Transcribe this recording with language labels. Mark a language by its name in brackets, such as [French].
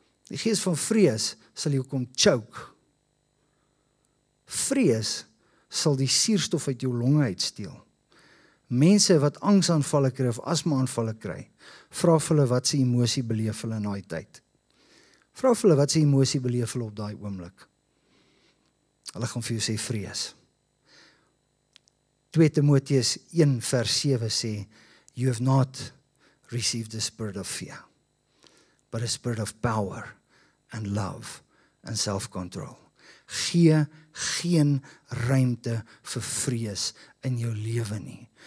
[Afrikaans] Die gees van vrees, sal jou kom choke. Vrees sal die suurstof uit jou longe uitsteel. Mense wat angsaanvalle kry of asmaanvalle kry, vra vir hulle wat se emosie beleef hulle in daai tyd. Vra vir hulle wat se emosie beleef hulle op daai oomblik. Hulle gaan vir jou sê vrees. 2 Timoteus 1 vers 7 sê, [English] You have not received the spirit of fear, but a spirit of power and love and self-control. [Afrikaans] Gee geen ruimte vir vrees in jou lewe nie.